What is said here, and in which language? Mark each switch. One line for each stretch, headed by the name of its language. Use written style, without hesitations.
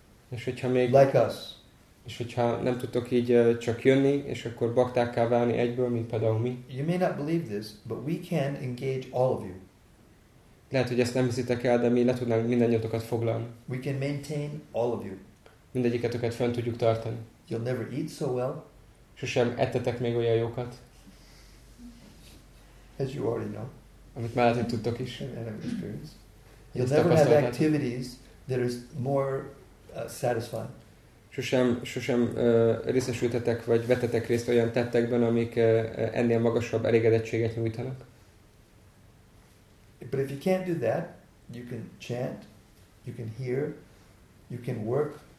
Hungarian: És hogyha még
English: like us.
Hungarian: És hogyha nem tudtok így csak jönni, és akkor baktákká válni egyből, mint például mi.
English: You may not believe this, but we can engage all of you.
Hungarian: Lehet, hogy ezt nem hiszitek el, de mi le tudnánk mindannyiatokat foglalni.
English: We can maintain all of you.
Hungarian: Mindegyiketeket fönn tudjuk tartani.
English: You'll never eat so well.
Hungarian: Sosem ettetek még olyan jókat.
English: As you already know.
Hungarian: Amit mellett, hogy tudtok is.
English: And I've experienced. You'll never have activities that is more satisfying.
Hungarian: Sosem részesültetek, vagy vetetek részt olyan tettekben, amik ennél magasabb elégedettséget nyújtanak.
English: But if you can't do that, you can chant, you can hear, you can work.